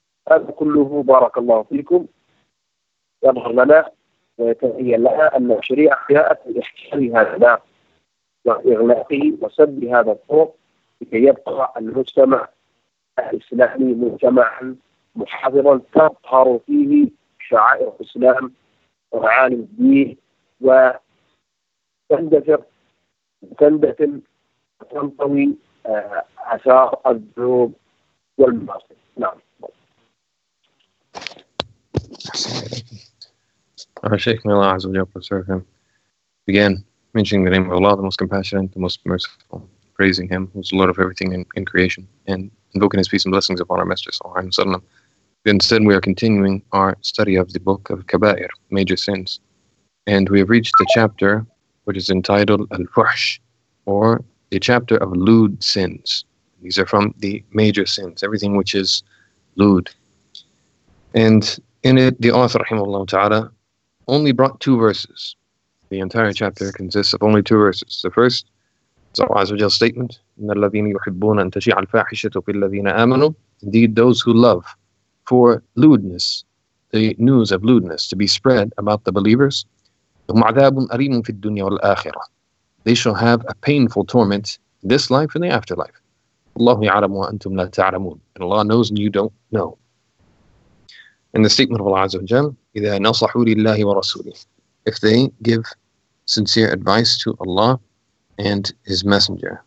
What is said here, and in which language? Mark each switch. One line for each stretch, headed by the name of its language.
Arabic: هذا كله بارك الله فيكم يظهر لنا ويتبين لها أن الشريعة جاءت لإحكام هذا الباب وإغلاقه وسد هذا الطرق لكي يبقى المجتمع الإسلامي مجتمعا محافظا تظهر فيه شعائر الإسلام ومعالم الدين وتندثر وتندثر وتنطوي آثار الذنوب والمعاصي. نعم.
English: Our Shaykh, may Allah Azzawajal preserve him, began mentioning the name of Allah, the most compassionate, the most merciful, praising Him, who is the Lord of everything in creation, and invoking His peace and blessings upon our Master, Sallallahu Alaihi Wasallam. Then said, we are continuing our study of the book of Kabair, Major Sins, and we have reached the chapter which is entitled Al-Fuhsh, or the chapter of lewd sins. These are from the major sins, everything which is lewd. And in it, the author, rahimahullah ta'ala, only brought two verses. The entire chapter consists of only two verses. The first is Allah Azza wa Jalla's statement,
Arabic: إِنَّ الَّذِينَ يُحِبُّونَ أَن تَشِيعَ الْفَاحِشَةُ فِي الَّذِينَ آمَنُوا.
English: Indeed, those who love for lewdness, the news of lewdness, to be spread about the believers,
Arabic: هُمْ عَذَابٌ أَرِيمٌ فِي الدُّنْيَا وَالْآخِرَةِ.
English: They shall have a painful torment this life and the afterlife.
Arabic: اللَّهُ يَعْلَمُ وَأَنْتُمْ لَا تَعْلَمُونَ.
English: And Allah knows and you don't know. And the statement of Allah Azza wa Jalla,
Arabic: إِذَا نَصَحُوا لِلَّهِ وَرَسُولِهِ,
English: if they give sincere advice to Allah and His Messenger.